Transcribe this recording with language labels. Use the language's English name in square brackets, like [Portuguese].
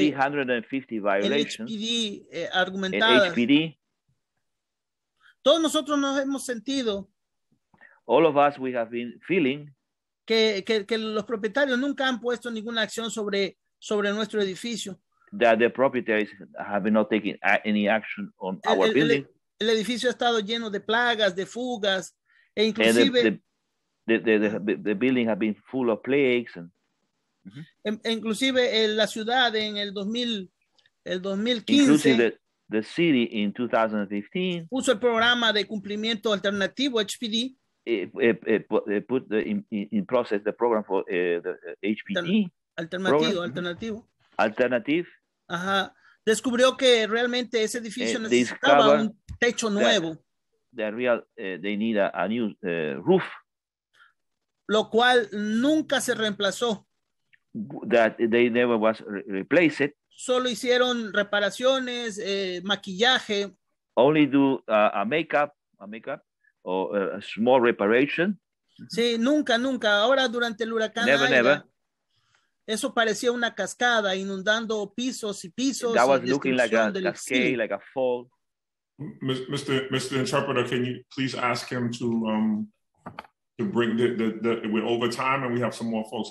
[English] 350 violations [Spanish] en HPD argumentadas. HPD. Todos nosotros nos hemos sentido [English] all of us, we have been feeling [Spanish] que los propietarios nunca han puesto ninguna acción sobre nuestro edificio. [English] That the proprietors have not taken any action on our building. [Spanish] El edificio ha estado lleno de plagas, de fugas, e inclusive [English] the building has been full of plagues. And, [Spanish] inclusive la ciudad en el 2015. [English] The city in 2015 [Spanish] puso el programa de cumplimiento alternativo HPD. [English] It put in process the program for the HPD. [Spanish] Alternativo. [English] Alternative. [Spanish] Ajá. Descubrió que realmente ese edificio necesitaba un techo nuevo. [English] They need a new roof. [Spanish] Lo cual nunca se reemplazó. [English] That they never was replaced. [Spanish] Solo hicieron reparaciones, maquillaje. [English] Only do a makeup or a small reparation. [Spanish] Sí, nunca. Ahora durante el huracán. [English] Never, Aida, never. [Spanish] Eso parecía una cascada inundando pisos y pisos. [English] That was looking like a cascade, like a fall. Mr. Interpreter, can you please ask him to bring the we're over time and we have some more folks.